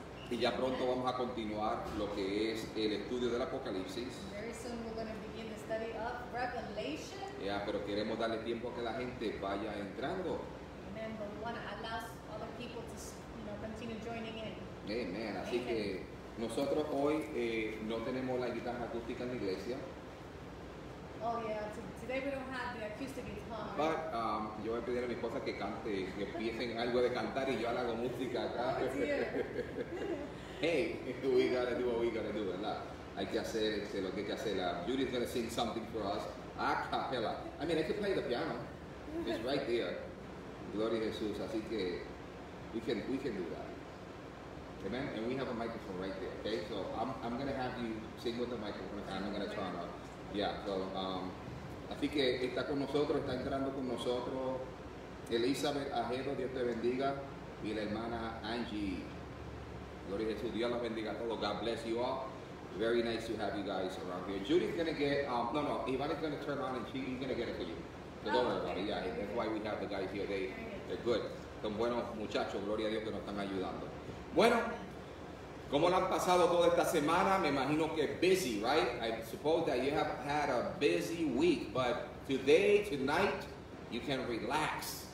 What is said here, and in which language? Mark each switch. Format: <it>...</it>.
<es>Y ya pronto vamos a continuar lo que es el estudio del Apocalipsis.</es> <en>Very soon we're going to begin the study of Revelation.</en> <es>Yeah, pero queremos darle tiempo a que la gente vaya entrando.</es> <en>Amen, but we want to allow other people to, continue joining in. Amen.</en> <es>Así que nosotros hoy no tenemos la guitarra acústica en la iglesia.</es> <en>Oh yeah, today we don't have the acoustic guitar. But</en> <es>yo voy a pedir a mi esposa que cante, que empiecen algo de cantar y yo hago música acá. Oh,</es> <en>hey, we gotta do what we gotta do, ¿verdad?</en> <es>Hay que hacer lo que hay que hacer.</es> <en>Judy's gonna sing something for us a capella. I mean, I can play the piano. It's right there.</en> <es>Gloria a Jesús. Así que</es> <en>we can do that. Amen. And we have a microphone right there. Okay, so I'm I'm gonna have you sing with the microphone. And I'm gonna turn up. Yeah.</en> <es>So, así que está con nosotros, está entrando con nosotros, Elizabeth Ajero, Dios te bendiga, y la hermana Angie. Gloria a Jesús, Dios las bendiga a todos.</es> <en>God bless you all. Very nice to have you guys around here. Judy's gonna get, Ivana's gonna turn on and she's gonna get it for you. So don't worry about it. Yeah, that's why we have the guys here. They're good.</en> <es>Son buenos muchachos, gloria a Dios que nos están ayudando. Bueno, ¿cómo lo han pasado toda esta semana? Me imagino que</es> <en>busy, right? I suppose that you have had a busy week, but today, tonight, you can relax.</en>